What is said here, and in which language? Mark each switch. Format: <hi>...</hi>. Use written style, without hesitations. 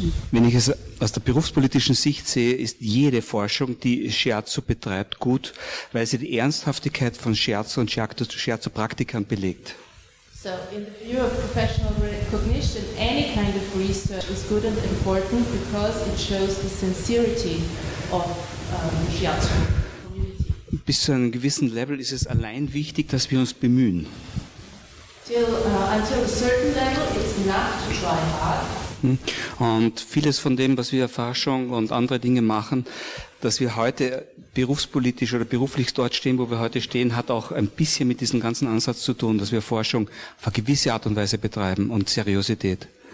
<de>Wenn ich es aus der berufspolitischen Sicht sehe, ist jede Forschung, die Shiatsu betreibt, gut, weil sie die Ernsthaftigkeit von Shiatsu und Shiatsu-Praktikern belegt.</de> <en>So, in the view of professional recognition, any kind of research is good and important because it shows the sincerity of Shiatsu.</en> <de>Bis zu einem gewissen Level ist es allein wichtig, dass wir uns bemühen.</de> <en>Until a certain level, it's enough to try hard.</en> <de>Und vieles von dem, was wir Forschung und andere Dinge machen, dass wir heute berufspolitisch oder beruflich dort stehen, wo wir heute stehen, hat auch ein bisschen mit diesem ganzen Ansatz zu tun, dass wir Forschung auf eine gewisse Art und Weise betreiben und Seriosität.</de>